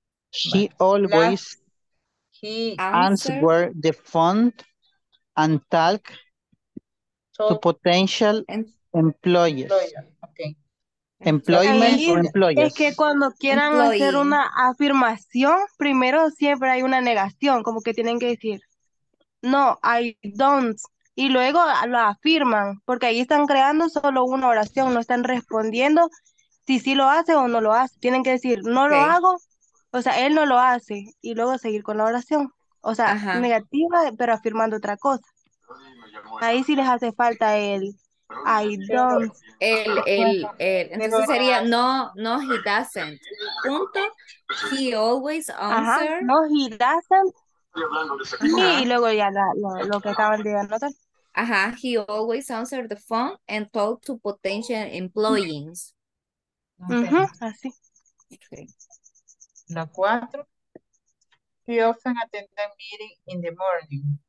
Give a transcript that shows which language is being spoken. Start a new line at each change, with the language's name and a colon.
English: She always answer the phone and talk to potential employers. Okay. Employment o employers.
Spanish: Es que cuando quieran hacer una afirmación, primero siempre hay una negación, como que tienen que decir,
English: no, I don't,
Spanish: y luego lo afirman, porque ahí están creando solo una oración, no están respondiendo si sí lo hace o no lo hace. Tienen que decir, no lo hago. O sea, él no lo hace. Y luego seguir con la oración. O sea, negativa, pero afirmando otra cosa. Ahí sí les hace falta el
English: I don't.
Spanish: El. Entonces sería no,
English: he doesn't.
Spanish: Punto.
English: He always answers. No, he doesn't.
Spanish: Y luego ya lo que acaban de anotar. Ajá.
English: He always answers the phone and talk to potential employees. Uh-huh. Así. Okay. La 4, he often attends a meeting in the morning.